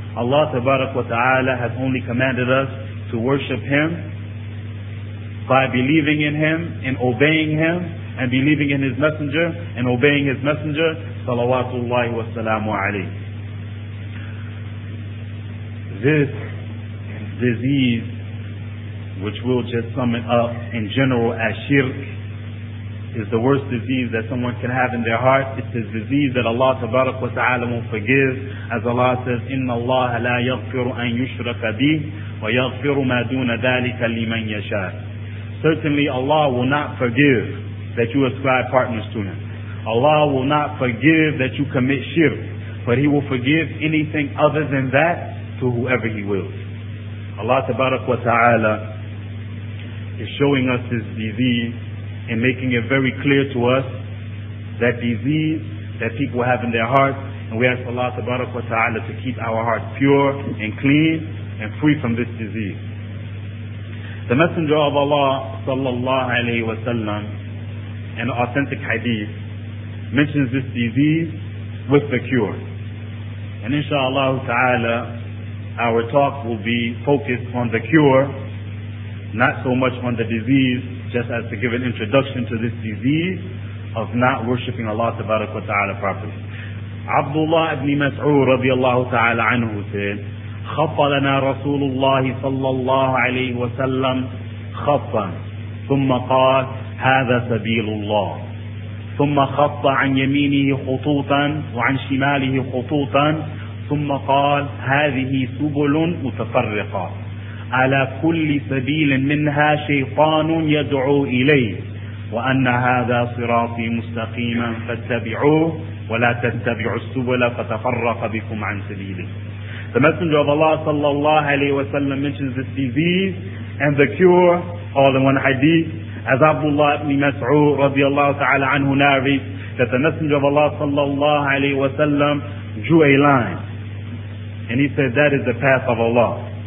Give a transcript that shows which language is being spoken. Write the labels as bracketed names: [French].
[English] Allah tabaraka wa ta'ala has only commanded us to worship Him by believing in Him and obeying Him, and believing in His Messenger and obeying His Messenger, salawatullahi wa salamu alayhi. This disease, which we'll just sum it up in general as shirk, is the worst disease that someone can have in their heart. It's a disease that Allah tabaraka wa ta'ala will forgive. As Allah says, [Arabic] إِنَّ اللَّهَ لَا يَغْفِرُ أَن يُشْرَكَ بِهِ وَيَغْفِرُ مَا دُونَ ذَلِكَ لِمَنْ يَشَاءُ. [English] Certainly Allah will not forgive that you ascribe partners to Him. Allah will not forgive that you commit shirk. But He will forgive anything other than that to whoever He wills. Allah tabaraka wa ta'ala is showing us this disease and making it very clear to us, that disease that people have in their hearts. And we ask Allah tabaraka wa ta'ala to keep our hearts pure and clean and free from this disease. The Messenger of Allah sallallahu alayhi wa sallam, an authentic hadith, mentions this disease with the cure. And inshaAllah ta'ala, our talk will be focused on the cure, not so much on the disease, just as to give an introduction to this disease of not worshipping Allah tabaraka wa ta'ala properly. Abdullah ibn Mas'ud radiallahu ta'ala anhu said, [Arabic] خَفَّلَنَا رَسُولُ اللَّهِ صَلَّى اللَّهُ عَلَيْهِ وَسَلَّمْ خَفَّا ثُمَّ قَالْ هَذَا سَبِيلُ اللَّهِ ثُمَّ خَفَّ عَنْ يَمِينِهِ خُطُوطًا وَعَنْ شِمَالِهِ خُطُوطًا ثُمَّ قَالْ هَذِهِ سُبُلٌ مُتَفَرِّقًا على كل سبيل منها شيطان يدعو إليه وأن هذا صراطي مستقيما فاتبعوه ولا تتبعوا السبل فتفرق بكم عن سبيله. [English] The Messenger of Allah sallallahu alayhi wa sallam mentions this disease and the cure all in one hadith, as Abdullah ibn Mas'ud radiallahu ta'ala anhu narrates that the Messenger of Allah sallallahu alayhi wa sallam drew a line, and he said, that is the path of Allah.